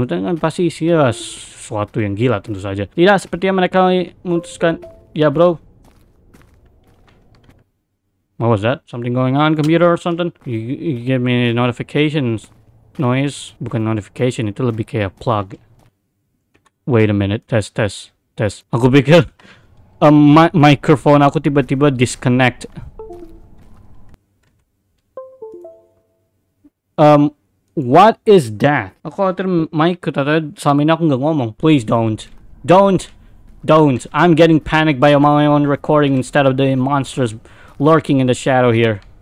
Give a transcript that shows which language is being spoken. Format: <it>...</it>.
<id>Hutan kan pasti isinya sesuatu yang gila tentu saja. Tidak, sepertinya mereka memutuskan. Ya, bro.</id> <en>What was that? Something going on, computer or something? You gave me notifications.</en> <id>noise, bukan notification, itu lebih kayak plug.</id> <en>Wait a minute, test.</en> <id>Aku pikir microphone aku tiba-tiba disconnect.</id> <en>What is that?</en> <id>Aku khawatir mic ternyata selama ini aku gak ngomong.</id> <en>Please don't. I'm getting panicked by my own recording instead of the monsters lurking in the shadow here.</en>